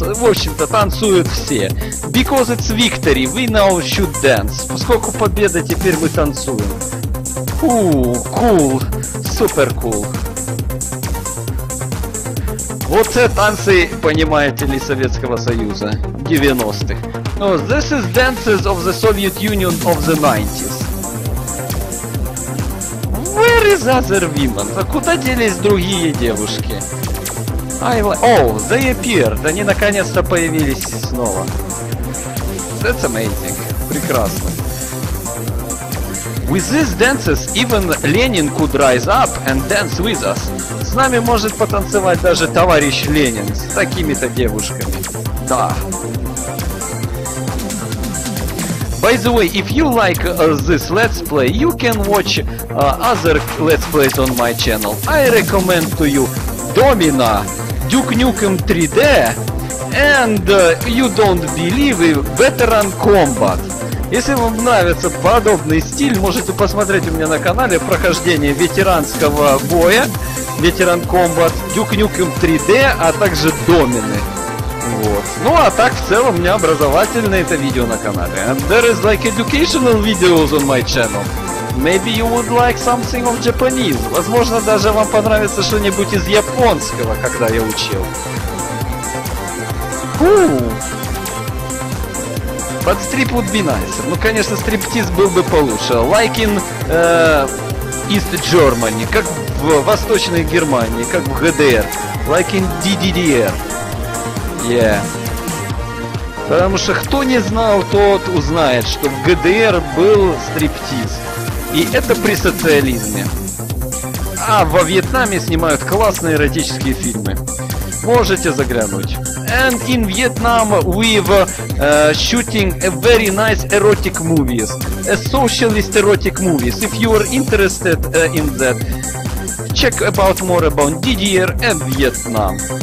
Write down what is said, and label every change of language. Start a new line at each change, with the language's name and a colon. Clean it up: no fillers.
Russian: В общем-то, танцуют все.
English: Because it's victory, we now should dance.
Russian: Поскольку победа, теперь мы танцуем.
English: Ooh, cool, super cool.
Russian: Вот это танцы, понимаете ли, Советского Союза 90-х.
English: No, this is dances of the Soviet Union of the 90s. Where is other women?
Russian: А куда делись другие девушки?
English: I like... Oh, they appeared.
Russian: Они наконец-то появились снова.
English: That's amazing.
Russian: Прекрасно.
English: With these dances, even Lenin could rise up and dance with us.
Russian: С нами может потанцевать даже товарищ Ленин с такими-то девушками. Да.
English: By the way, if you like this let's play, you can watch other let's plays on my channel. I recommend to you Domina, Duke Nukem 3D, and you don't believe it, Veteran Combat.
Russian: Если вам нравится подобный стиль, можете посмотреть у меня на канале прохождение ветеранского боя, Veteran Combat, Duke Nukem 3D, а также Domina. Вот. Ну а так в целом у меня образовательное это видео на канале.
English: And there is like educational videos on my channel. Maybe you would like something of Japanese.
Russian: Возможно, даже вам понравится что-нибудь из японского, когда я учил. Ooh.
English: But strip would be nicer.
Russian: Ну конечно, стриптиз был бы получше.
English: Like in East Germany,
Russian: как в Восточной Германии, как в ГДР.
English: Like in DDR. Yeah.
Russian: Потому что кто не знал, тот узнает, что в ГДР был стриптиз. И это при социализме. А во Вьетнаме снимают классные эротические фильмы. Можете заглянуть.
English: And in Vietnam we've shooting a very nice erotic movies. A socialist erotic movies. If you are interested in that, check about more about DDR and Vietnam.